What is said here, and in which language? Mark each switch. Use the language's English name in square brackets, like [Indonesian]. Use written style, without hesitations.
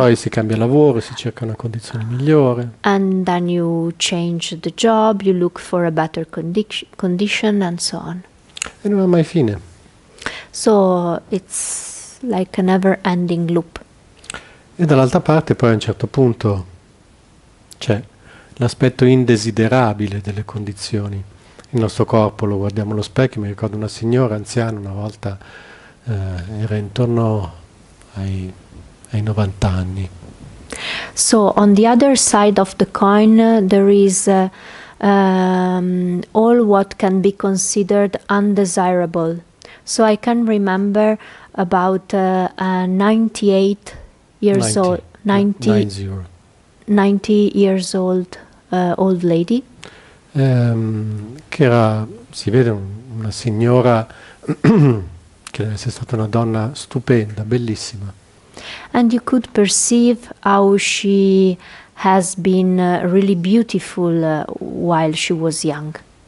[Italian] poi si cambia lavoro, si cerca una condizione migliore. [English] And then you change the job, you look for a better condition, and so on. [Italian] E non ha mai fine. [English] So it's like a never ending loop. [Italian] Dall'altra parte, poi a un certo punto, c'è l'aspetto indesiderabile delle condizioni. Il nostro corpo, lo guardiamo allo specchio, mi ricordo una signora anziana, una volta era intorno ai 90 anni. [English] So on the other side of the coin, there is all what can be considered undesirable. So I can remember about 98 years old, 90, no, 90. 90 years old old lady. [Italian] Che era, si vede, una signora che deve essere stata una donna stupenda, bellissima. [English] And you could perceive how she has been really beautiful while she was young.